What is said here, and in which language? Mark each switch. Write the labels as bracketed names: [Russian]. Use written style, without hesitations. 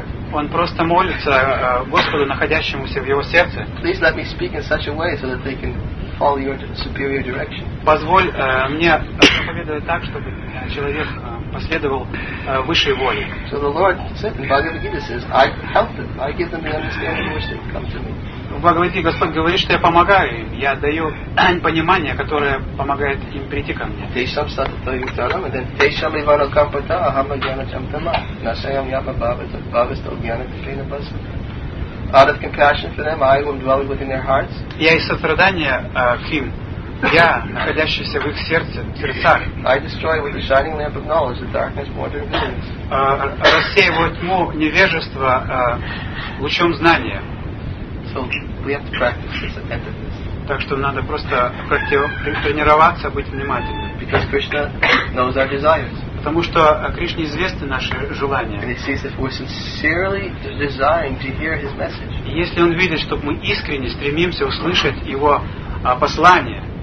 [Russian] Он просто молится Господу, находящемуся в его сердце. [English] Please let me speak in such a way so that they can follow your superior direction. [Russian] Позволь мне проповедовать так, чтобы человек последовал высшей воле. [English] So the Lord said in Bhagavad Gita says, I help them, I give them the understanding which they come to me. [Russian] В Бхагавад Гите Господь говорит, что я помогаю им. Я даю понимание, которое помогает им прийти ко мне. [English] Out of compassion for them, I will dwell within their hearts. [Russian] Я из сострадания к им. Я, находящийся в их сердце, в сердцах. [English] I destroy with the shining lamp of knowledge the darkness bordering ignorance. [Russian] Рассеиваю тьму невежества лучом знания. [English] So we have to practice this attentiveness. [Russian] Так что надо просто тренироваться, быть внимательным. [English] Because Krishna knows our desires. [Russian] Потому что Кришне известны наши желания. [English] And he sees if we're sincerely desiring to hear his message. [Russian] Если он видит, что мы искренне стремимся услышать его послание.